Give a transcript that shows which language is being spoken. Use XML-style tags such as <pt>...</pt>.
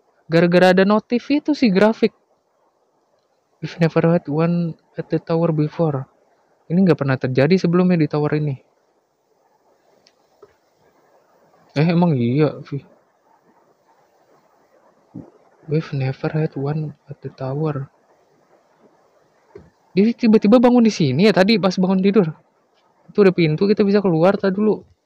<id>Gara-gara ada notif itu sih grafik.</id> <en>We've never had one at the tower before.</en> <id>Ini nggak pernah terjadi sebelumnya di tower ini. Eh, emang iya, Vi.</id> <en>We've never had one at the tower.</en> <id>Jadi tiba-tiba bangun di sini ya tadi pas bangun tidur. Itu ada pintu, kita bisa keluar tadi dulu.</id>